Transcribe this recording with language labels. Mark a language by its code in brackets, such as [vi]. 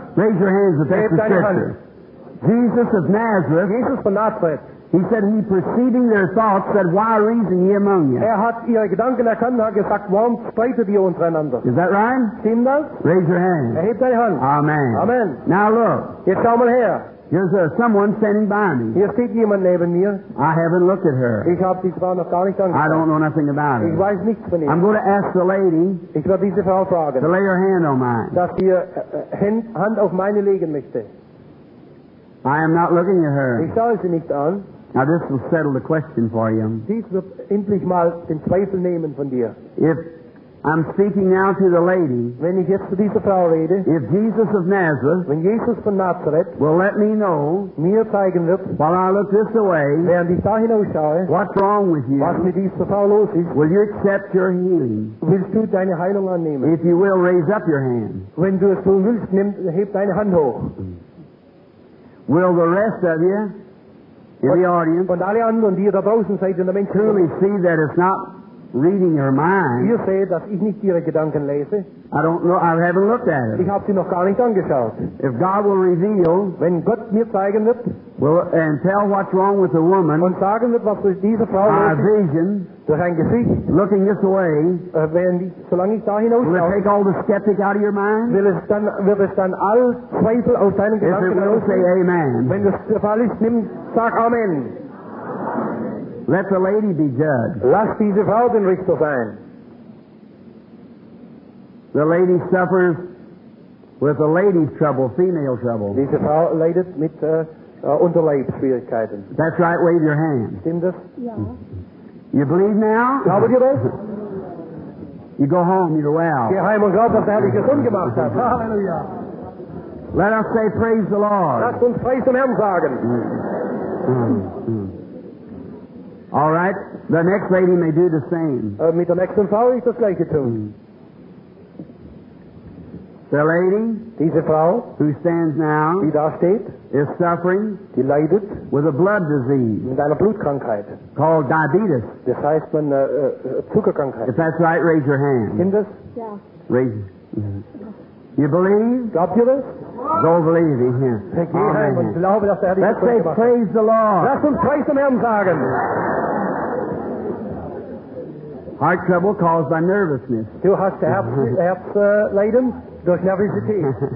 [en] Raise your hands if that's the scripture. Jesus of Nazareth. [de] Jesus von Nazareth. [en] He said, he perceiving their thoughts, said, why reason ye among you? [de] Er hat ihre Gedanken erkannt, hat gesagt, warum streitet ihr untereinander? [en] Is that right? [de] Stimmt das? [en] Raise your hand. [de] Erhebt deine Hand. [en] Amen. [de] Amen. [en] Now look. [de] Jetzt schau mal her. [en] Here's someone standing by me. [de] Hier steht jemand neben mir. [en] I haven't looked at her. [de] Ich habe diese Frau noch gar nicht angeschaut. [en] I don't know nothing about her. [de] Ich weiß nichts von ihr. [en] I'm going to ask the lady. [de] Ich werde diese Frau fragen. [en] To lay her hand on mine. [de] Dass sie ihre Hand auf meine legen möchte. [en] I am not looking at her. [de] Ich schaue sie nicht an. [en] Now this will settle the question for you. [de] Dies wird endlich mal den Zweifel nehmen von dir. [en] If I'm speaking now to the lady, [de] wenn ich jetzt zu dieser Frau rede, [en] if Jesus of Nazareth, [de] wenn Jesus von Nazareth, [en] will let me know, [de] mir zeigen wird, [en] while I look this away, [de] während ich da hinausschaue, [en] what's wrong with you? [de] Was mit dieser Frau los ist? [en] Will you accept your healing? [de] Willst du deine Heilung annehmen? [en] If you will, raise up your hand. [de] Wenn du es tun willst, nimm heb deine Hand hoch. [en] Will the rest of you? In the audience. [de] Und alle anderen, die da draußen seid, in der Menschen. [en] Truly see that it's not reading your mind. [de] Ihr seht, dass ich nicht ihre Gedanken lese. [en] I don't know. I haven't looked at it. [de] Ich habe sie noch gar nicht angeschaut. [en] If God will reveal, [de] wenn Gott mir zeigen wird, [en] will, and tell what's wrong with the woman, [de] und sagen wird, was mit dieser Frau [en] ist, my vision, [de] durch ein Gesicht, [en] looking this way, [de] wenn ich, solange ich da hinaus will schaue, [en] it take all the skeptic out of your mind? [de] Will es dann all Zweifel aus deinen Gedanken [en] rausnehmen? If it will, say amen. [de] Wenn es der Fall ist, nimm, sag Amen. [en] Let the lady be judged. [de] Lass diese Frau den Richter sein. [en] The lady suffers with the lady's trouble, female trouble. [de] Diese Frau leidet mit Unterleibsschwierigkeiten. [en] That's right, wave your hand. [de] Stimmt das? Ja. [en] You believe now? [de] Glaubt ihr das? [en] You go home, you're well. [de] Geh heim und glaub, dass der Herr dich gesund gemacht hat. Halleluja. [en] Let us say praise the Lord. [de] Lass uns praise den Herrn sagen. Mm. [en] All right, the next lady may do the same. [de] Mit der nächsten Frau ist das gleiche tun. [en] The lady, [de] diese Frau, [en] who stands now, [de] die da steht, [en] is suffering, [de] die leidet, [en] with a blood disease, [de] mit einer Blutkrankheit, [en] called diabetes. [de] Das heißt, man Zuckerkrankheit. [en] If that's right, raise your hand. [de] Stimmt das? Ja. [en] Raise. Mm-hmm. You believe? [de] Glaubt ihr das? [en] Go believe in him. Let's say praise the Lord. [de] Lass uns praise den Herrn sagen. [en] Heart trouble caused by nervousness. [de] Du hast Herzleiden durch Nervosität.